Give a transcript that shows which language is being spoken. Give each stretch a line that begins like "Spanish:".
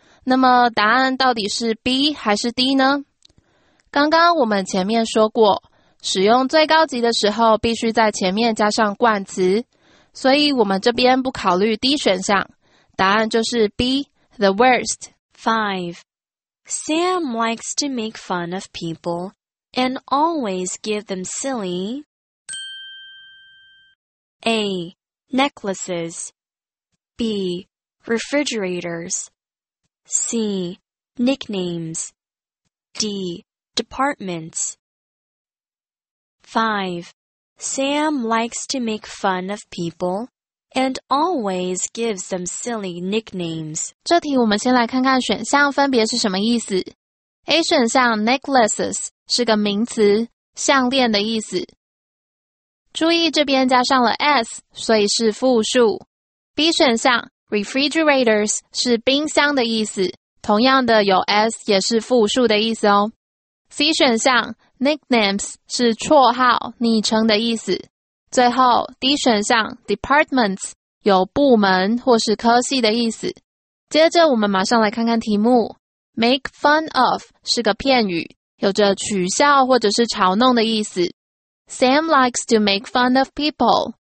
Chinese: 那么答案到底是 B 还是 D 呢？刚刚我们前面说过，使用最高级的时候必须在前面加上冠词，所以我们这边不考虑 D 选项，答案就是 B, the worst.
English: 5. Sam likes to make fun of people. And always give them silly A. Necklaces B. Refrigerators C. Nicknames D. Departments 5. Sam likes to make fun of people And always gives them silly nicknames
Chinese: 这题我们先来看看选项分别是什么意思。A 选项 necklaces 是个名词，项链的意思。注意这边加上了 s， 所以是复数。 B 选项 refrigerators 是冰箱的意思，同样的有 s 也是复数的意思哦。 C 选项 nicknames 是绰号、昵称的意思。最后 D 选项 departments 有部门或是科系的意思。接着我们马上来看看题目。Make fun of 是个片语，有着取笑或者是嘲弄的意思。
English: Sam likes to make fun of people.